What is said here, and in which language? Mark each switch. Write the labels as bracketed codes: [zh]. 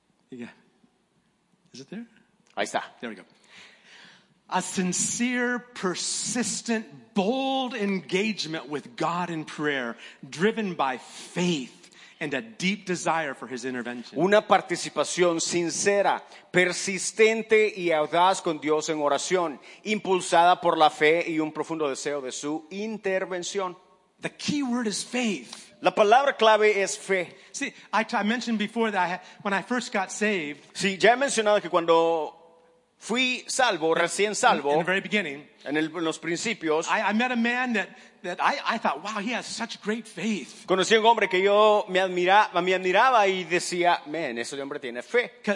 [en] Yeah. Is it there? [es] Ahí está. [en] There we go. A sincere, persistent, bold engagement with God in prayer, driven by faith and a deep desire for his intervention. [es] Una participación sincera, persistente y audaz con Dios en oración, impulsada por la fe y un profundo deseo de su intervención. [en] The key word is faith. [es] La palabra clave es fe. [en] See, I mentioned before that when I first got saved. [es] Sí, ya he mencionado que cuando fui salvo, recién salvo. [en] In the very beginning. [es] En los principios. [en] I met a man that I thought, wow, he has such great faith. [es] Conocí a un hombre que yo me admiraba y decía, man, ese hombre tiene fe.